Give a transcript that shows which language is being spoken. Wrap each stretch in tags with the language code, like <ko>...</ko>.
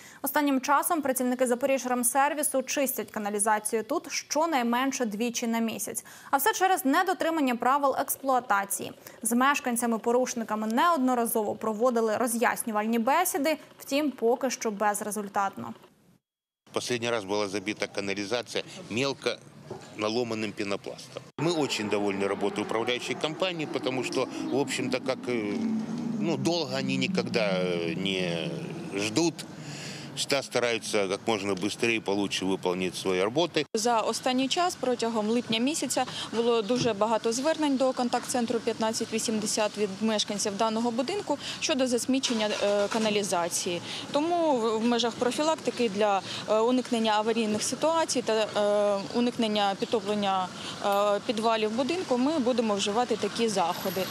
<uk>Останнім часом працівники Запоріжрамсервісу чистять каналізацію тут щонайменше двічі на місяць. А все через недотримання правил експлуатації. З мешканцями-порушниками неодноразово проводили роз'яснювальні бесіди, втім, поки що безрезультатно.</uk> <ru>Последний раз была забита канализация мелко наломанным пенопластом. Мы очень довольны работой управляющей компании, потому что, в общем-то, как долго они никогда не ждут. Всегда стараются как можно быстрее и получше выполнить свои работы.</ru> <uk>За останній час, протягом липня місяця, було дуже багато звернень до контакт-центру 1580 від мешканців даного будинку щодо засмічення каналізації. Тому в межах профілактики для уникнення аварійних ситуацій та уникнення підтоплення підвалів будинку ми будемо вживати такі заходи.</uk>